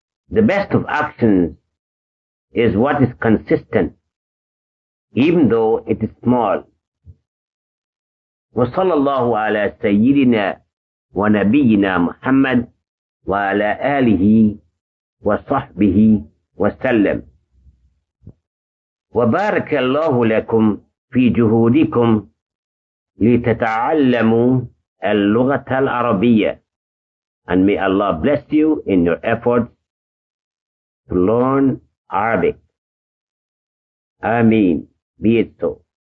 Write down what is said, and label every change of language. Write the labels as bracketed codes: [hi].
[en] The best of actions is what is consistent, even though it is small. [ar] وصلى الله على سيدنا ونبينا محمد وعلى آله وصحبه وسلم. وبارك الله لكم في جهودكم لتتعلموا اللغة العربية. [en] And may Allah bless you in your efforts to learn Arabic. Ameen. Be it so.